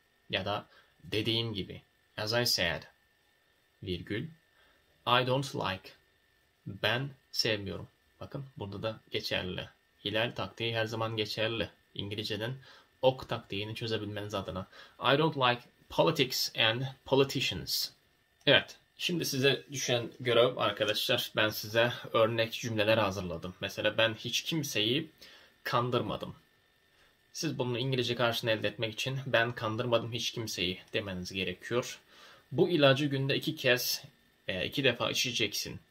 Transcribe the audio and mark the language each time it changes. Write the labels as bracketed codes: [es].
[en] Ya da dediğim gibi. As I said. [tr] Virgül. [en] I don't like. [tr] Ben sevmiyorum. Bakın burada da geçerli. Hilal taktiği her zaman geçerli. İngilizce'den ok taktiğini çözebilmeniz adına. [en] I don't like politics and politicians. [tr] Evet. Şimdi size düşen görev arkadaşlar. Ben size örnek cümleler hazırladım. Mesela ben hiç kimseyi kandırmadım. Siz bunu İngilizce karşılığını elde etmek için ben kandırmadım hiç kimseyi demeniz gerekiyor. Bu ilacı günde iki kez veya iki defa içeceksin.